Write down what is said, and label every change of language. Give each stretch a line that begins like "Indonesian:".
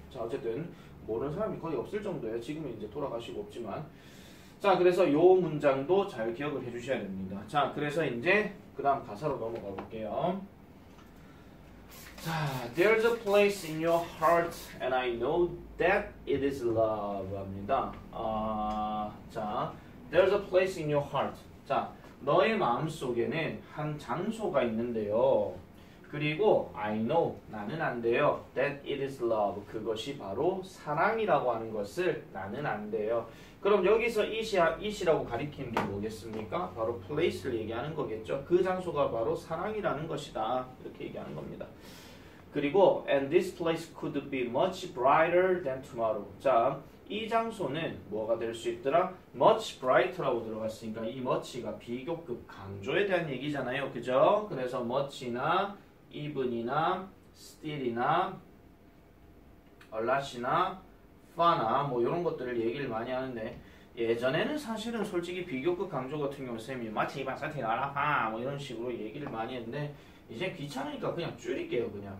Korean: 자, 어쨌든 모르는 사람이 거의 없을 정도예요. 지금은 이제 돌아가시고 없지만. 자, 그래서 요 문장도 잘 기억을 해주셔야 됩니다. 자, 그래서 이제 그 다음 가사로 넘어가 볼게요.
English: 자, There's a place in your heart and I know that it is love 합니다. 자, There's a place in your heart.
Korean: 자, 너의 마음 속에는 한 장소가 있는데요. 그리고
English: I know,
Korean: 나는 안돼요.
English: That it is love,
Korean: 그것이 바로 사랑이라고 하는 것을 나는 안돼요. 그럼 여기서 it이라고 가리키는 게 뭐겠습니까? 바로 place를 얘기하는 거겠죠. 그 장소가 바로 사랑이라는 것이다. 이렇게 얘기하는 겁니다.
English: 그리고 And this place could be much brighter than tomorrow.
Korean: 자, 이 장소는 뭐가 될 수 있더라? Much brighter라고 들어갔으니까 이 much가 비교급 강조에 대한 얘기잖아요. 그죠? 그래서 much나 even이나 still이나 a lot이나 far나 뭐 이런 것들을 얘기를 많이 하는데 예전에는 사실은 솔직히 비교급 강조 같은 경우 쌤이 마치 이봐 사태 알아 봐 뭐 이런 식으로 얘기를 많이 했는데 이제 귀찮으니까 그냥 줄일게요.